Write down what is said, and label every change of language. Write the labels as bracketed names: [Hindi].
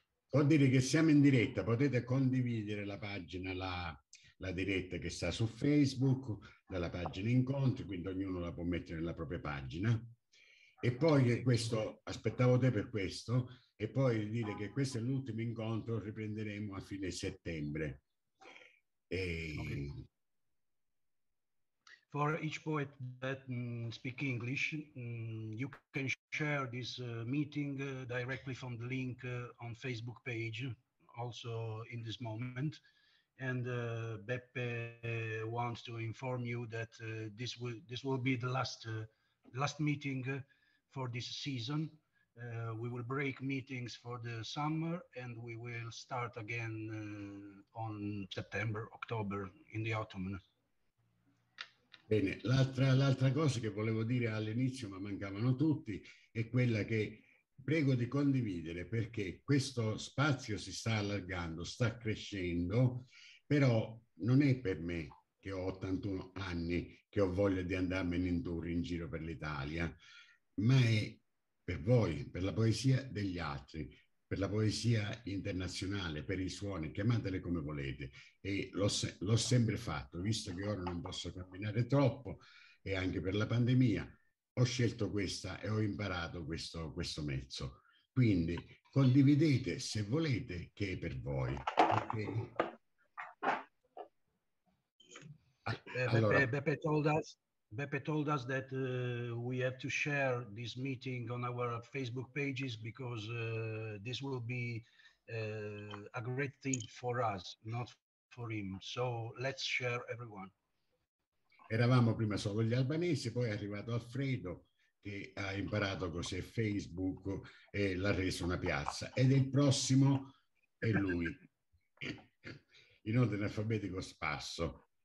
[Italian] Vuol dire che siamo in diretta, potete condividere la pagina, la diretta che sta su Facebook, dalla pagina incontri, quindi ognuno la può mettere nella propria pagina. E poi questo, aspettavo te per questo, e poi dire che questo è l'ultimo incontro, riprenderemo a fine settembre. E... [English] For each poet that speak English, you can share this meeting directly from the link on Facebook page, also in this moment. And Beppe wants to inform you that this will be the last meeting for this season. We will break meetings for the summer and we will start again on September, October, in the autumn. [Italian] Bene, l'altra cosa che volevo dire all'inizio, ma mancavano tutti, è quella che prego di condividere, perché questo spazio si sta allargando, sta crescendo, però non è per me, che ho 81 anni, che ho voglia di andarmene in tour in giro per l'Italia, ma è per voi, per la poesia degli altri, per la poesia internazionale, per i suoni, chiamatele come volete. E l'ho sempre fatto, visto che ora non posso camminare troppo e anche per la pandemia, ho scelto questa e ho imparato questo mezzo. Quindi condividete se volete che è per voi. [English] Okay. [Italian] Allora. [English] Beppe told us that we have to share this meeting on our Facebook pages because this will be a great thing for us, not for him. So let's share everyone. [Italian] Eravamo prima solo gli albanesi, poi è arrivato Alfredo che ha imparato cos'è Facebook e l'ha reso una piazza. Ed il prossimo è lui, in ordine alfabetico spasso.